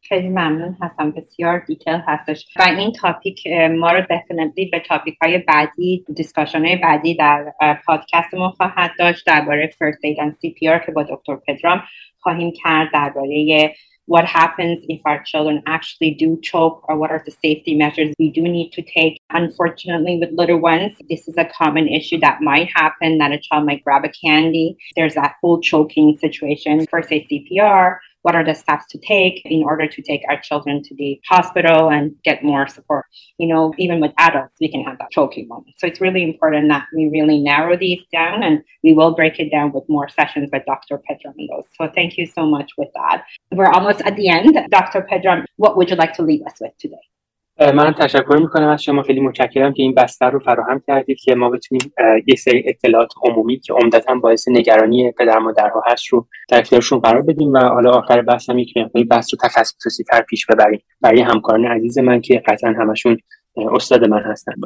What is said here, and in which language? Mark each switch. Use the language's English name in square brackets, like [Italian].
[Persian] خیلی ممنون هستم، بسیار دیتیل هستش و این تاپیک ما رو دفینیتلی به تاپیک های بعدی، دیسکشن های بعدی در پادکست ما خواهد داشت، درباره فرست اید اند سی پی آر که با دکتر پدرام خواهیم کرد، درباره [English] what happens if our children actually do choke or what are the safety measures we do need to take. Unfortunately, with little ones, this is a common issue that might happen, that a child might grab a candy. There's that whole choking situation. First aid CPR, what are the steps to take in order to take our children to the hospital and get more support. You know, even with adults, we can have that choking moment. So it's really important that we really narrow these down, and we will break it down with more sessions with Dr. Pedram. So thank you so much with that. We're almost at the end. Dr. Pedram, what would you like to leave us with today? [Persian] من تشکر میکنم از شما، خیلی متشکرم که این بستر رو فراهم کردید که ما بتونیم یه سری اطلاعات عمومی که عمدتاً باعث نگرانی پدر مادرها هست رو در اختیارشون قرار بدیم و حالا آخر بحث هم یک مقداری بحث رو تخصصی تر پیش ببریم برای همکاران عزیز من که قطعاً همشون استاد من هستن.